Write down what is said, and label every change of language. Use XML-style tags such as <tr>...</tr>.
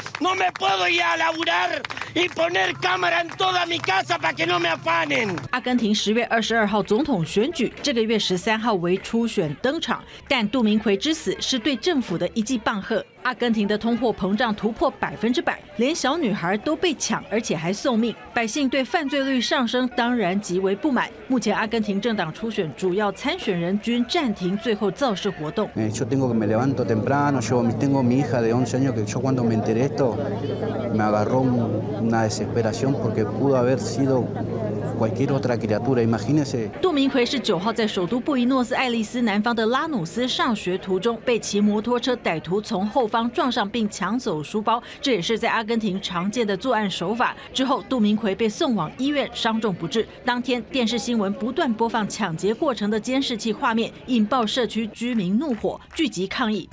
<es>No me puedo ir a laburar y poner cámara en toda mi casa para que no me afanen.</es> <zh>阿根廷10月22号总统选举，这个月13号为初选登场，但杜明奎之死是对政府的一记棒喝。阿根廷的通货膨胀突破100%，连小女孩都被抢，而且还送命。百姓对犯罪率上升当然极为不满。目前阿根廷政党初选主要参选人均暂停最后造势活动。</zh> <es>Yo tengo que me levanto temprano. Yo tengo mi hija de 11 años que yo cuando me enteré esto me agarró una desesperación porque pudo haber sido cualquier otra criatura. Imagínese.</es> <zh>杜明奎是9号在首都布宜诺斯艾利斯南方的拉努斯上学途中被骑摩托车歹徒从后方撞上并抢走书包，这也是在阿根廷常见的作案手法。之后，杜明奎被送往医院，伤重不治。当天，电视新闻不断播放抢劫过程的监视器画面，引爆社区居民怒火，聚集抗议。</zh>